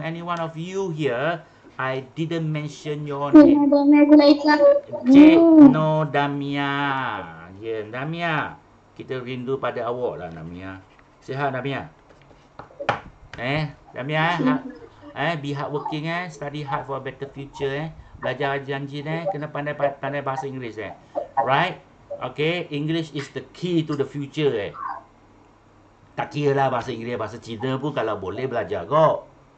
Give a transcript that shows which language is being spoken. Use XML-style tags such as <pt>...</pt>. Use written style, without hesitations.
<en>Any one of you here, I didn't mention your name. Cik No Damia. Yeah, Damia.</en> <ms>Kita rindu pada awak lah, Damia. Sihat, Damia?</ms> <en>Damia, be hardworking eh. Study hard for a better future eh.</en> <ms>Belajar janji eh. Kena pandai bahasa Inggeris eh.</ms> <en>Right? Okay, English is the key to the future eh.</en> <ms>Tak kira lah bahasa Inggeris, bahasa Cina pun kalau boleh belajar kau.</ms>